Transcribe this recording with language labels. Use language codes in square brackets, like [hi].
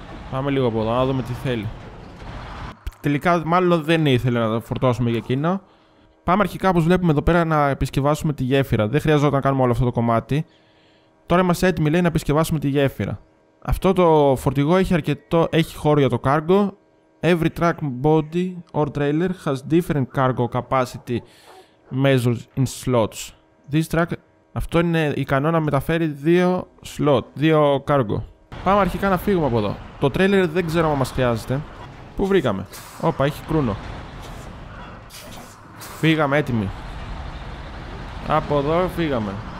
[el] Πάμε λίγο από εδώ να δούμε τι θέλει. Τελικά μάλλον δεν ήθελε να το φορτώσουμε για εκείνο. Πάμε αρχικά όπως βλέπουμε εδώ πέρα να επισκευάσουμε τη γέφυρα. Δεν χρειαζόταν να κάνουμε όλο αυτό το κομμάτι. Τώρα είμαστε έτοιμοι, λέει, να επισκευάσουμε τη γέφυρα. Αυτό το φορτηγό έχει αρκετό, έχει χώρο για το cargo. [en] Every truck body or trailer has different cargo capacity measures in slots. This truck, [el] αυτό είναι ικανό να μεταφέρει δύο slot, δύο cargo. Πάμε αρχικά να φύγουμε από εδώ. Το trailer δεν ξέρω αν μας χρειάζεται. Πού βρήκαμε. Όπα, έχει κρούνο. Φύγαμε έτοιμοι. Από εδώ φύγαμε.